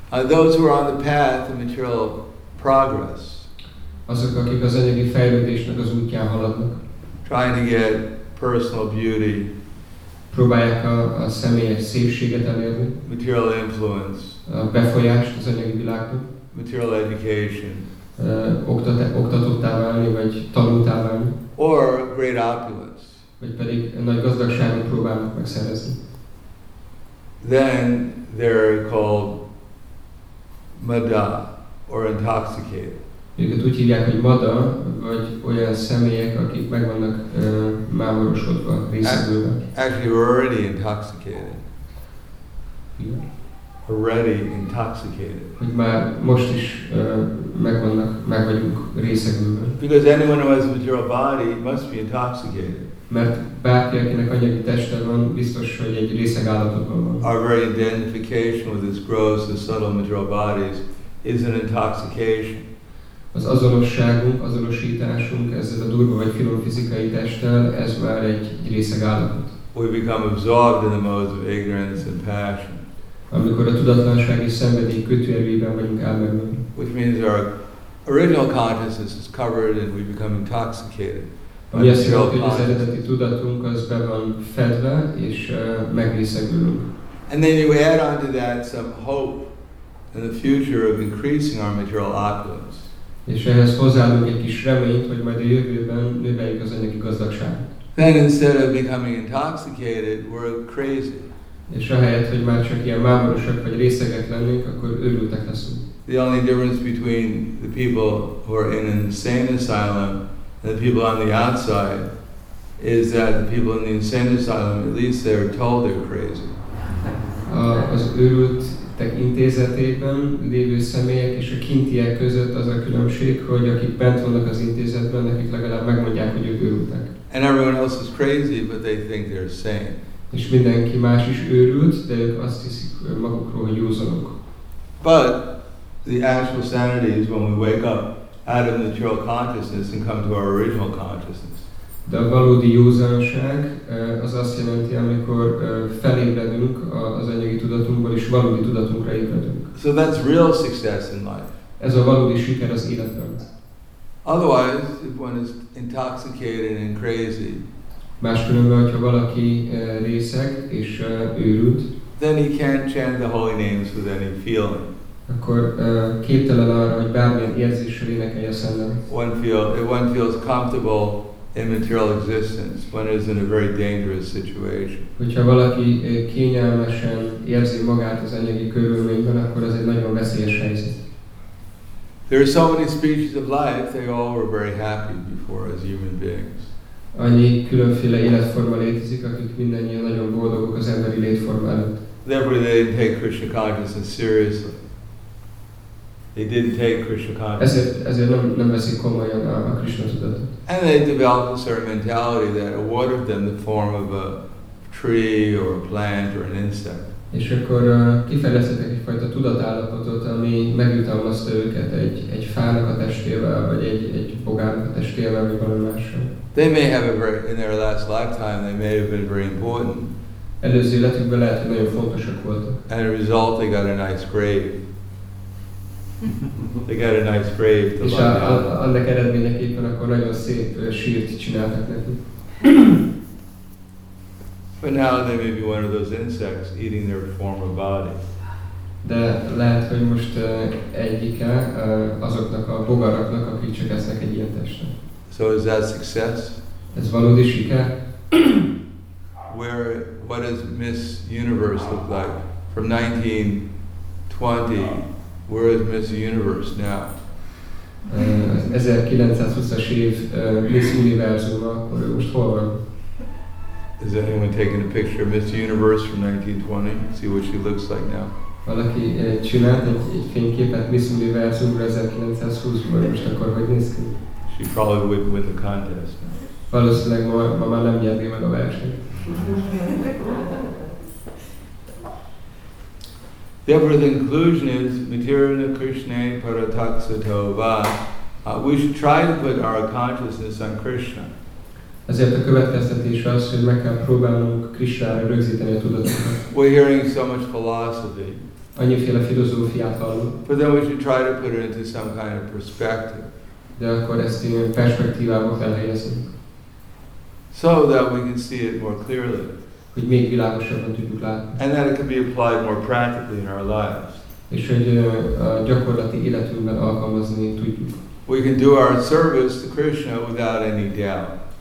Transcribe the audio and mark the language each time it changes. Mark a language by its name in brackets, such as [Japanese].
[English] Those who are on the path of material progress. [Hungarian] Azok, akik az anyagi fejlődésnek az útján haladnak. [English] Trying to get personal beauty. [Hungarian] Próbálják a személyes szépséget elérni. [English] Material influence. [Hungarian] A befolyást az anyagi világban. [English] Material education. [Hungarian] Oktatottá válni, vagy tanultá válni. [English] Or great opulence. [Hungarian] Vagy pedig nagy gazdagságot próbálnak megszerezni. [English] Then they're called mada, or intoxicated. [Hungarian] Őket úgy hívják, hogy mada, vagy olyan személyek, akik meg vannak mámorosodva, részegülve. [English] Actually, we're already intoxicated. Already intoxicated. [Hungarian] Hogy már most is meg vagyunk részegülve. [English] Because anyone who has a material body must be intoxicated. [Hungarian] Mert bárki, akinek anyagi teste van, biztos, hogy egy részeg állapotban van. [English] Our very identification with this gross and subtle material bodies is an intoxication. [Hungarian] Az azonosságunk, azonosításunk ezzel a durva vagy finom fizikai testtel, ez már egy részeg állapot. [English] We become absorbed in the modes of ignorance and passion. [Hungarian] Amikor a tudatlanság és szenvedély kötőerőjében vagyunk elmerülve. [English] Which means our original consciousness is covered and we become intoxicated. [Hungarian] Ami azt jelenti, hogy az eredeti tudatunk az be van fedve és megrészegülünk. [English] And then you add onto that some hope in the future of increasing our material opulence. [Hungarian] És ehhez hozzáadunk egy kis reményt, hogy majd a jövőben növeljük az anyagi gazdagságot. [English] Then instead of becoming intoxicated, we're crazy. [Hungarian] És ahelyett, hogy már csak ilyen mámorosak vagy részegek lennénk, akkor őrültek leszünk. [English] The only difference between the people who are in an insane asylum and the people on the outside is that the people in the insane asylum, at least they're told they're crazy. [Hungarian] Az őrültek intézetében lévő személyek és a kintiek között az a különbség, hogy akik bent vannak az intézetben, nekik legalább megmondják, hogy ők őrültek. [English] And everyone else is crazy, but they think they're sane. [Hungarian] És mindenki más is őrült, de ők azt hiszik magukról, hogy józanok. [English] But the actual sanity is when we wake up out of material consciousness and come to our original consciousness. [Hungarian] De a valódi józanság az azt jelenti, amikor felébredünk az anyagi tudatunkból és valódi tudatunkra ébredünk. [English] So that's real success in life. [Hungarian] Ez a valódi siker az életben. [English] Otherwise, if one is intoxicated and crazy, [Hungarian] máskülönben, hogyha valaki részeg és őrült, [English] then he can't chant the holy names with any feeling. [Hungarian] Akkor képtelen arra, hogy bármilyen érzéssel énekelj a szellem. [English] One feels comfortable in material existence, one is in a very dangerous situation. [Hungarian] Hogyha valaki kényelmesen érzi magát az anyagi körülményben, akkor az egy nagyon veszélyes helyzet. [English] There are so many species of life, they all were very happy before as human beings. [Hungarian] Annyi különféle életforma létezik, akik mindannyian nagyon boldogok az emberi létforma előtt. [English] Therefore they didn't take Krishna consciousness seriously. They didn't take Krishna consciousness. [Hungarian] Ezért nem veszik komolyan a Krishna tudatot. [English] And they developed a certain mentality that awarded them the form of a tree or a plant or an insect. [Hungarian] És akkor kifejlesztettek egyfajta tudatállapotot, ami megjutalmazta őket egy fának a testével, vagy egy bogárnak a testével, vagy valami mással. [English] They may have in their last lifetime, they may have been very important. [Hungarian] Előző életükben lehet, hogy nagyon fontosak voltak. [English] And as a result, they got a nice grave. They got a nice grave to lie down. [Hungarian] És annak eredményeképpen akkor nagyon szép sírt csináltak nekik. [English] But now they may be one of those insects eating their former body. [Hungarian] De lehet, hogy most egyike azoknak a bogaraknak, akik csak esznek egy ilyen testre. [English] So is that success? [Hungarian] Ez valódi siker? [English] Where, what does Miss Universe look like? From 1920, where is Miss Universe now? [Hungarian] 1920-as év Miss Univerzum, akkor most hol van? [English] Is anyone taking a picture of Miss Universe from 1920? See what she looks like now. [Hungarian] Valaki csinált egy fényképet Miss Univerzumra 1920-ban, most akkor hogy néz ki? [English] She probably wouldn't win the contest. [Hungarian] Valószínűleg ma már nem nyerné meg a versenyt. [English] Therefore, the conclusion is Materana Krishna Paratakshato Va. We should try to put our consciousness on Krishna. [Hungarian] Ezért a következtetés az, hogy meg kell próbálnunk Krishnára rögzíteni a tudatunkat. [English] We're hearing so much philosophy. [Hungarian] Annyiféle filozófiát hallunk. [English] But then we should try to put it into some kind of perspective. [Hungarian] De akkor ezt ilyen perspektívába kell helyezni. [English] So that we can see it more clearly. [Hungarian] Hogy még világosabban tudjuk látni. [English] And that it can be applied more practically in our lives. [Hungarian] És hogy gyakorlati életünkben alkalmazni tudjuk. [English] We can do our service to Krishna without any doubt.